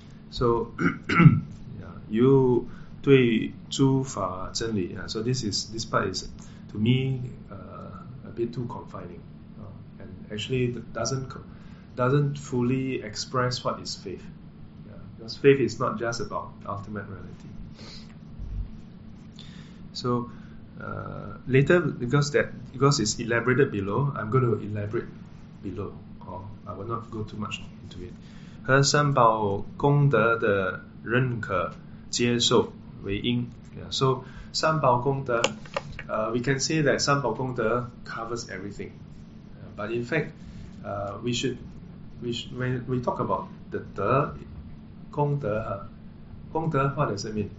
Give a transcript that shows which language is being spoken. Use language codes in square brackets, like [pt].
[en] So, [zh] 有对诸法真理, [en] so this part is to me a bit too confining, and actually doesn't fully express what is faith. Because faith is not just about ultimate reality. So later, because it's elaborated below, I'm going to elaborate below, or I will not go too much into it. [zh] 和三宝功德的认可接受为因. [en] So 三宝功德, we can say that 三宝功德 covers everything, but in fact we should when we talk about the 德, 功德, 功德, what does it mean?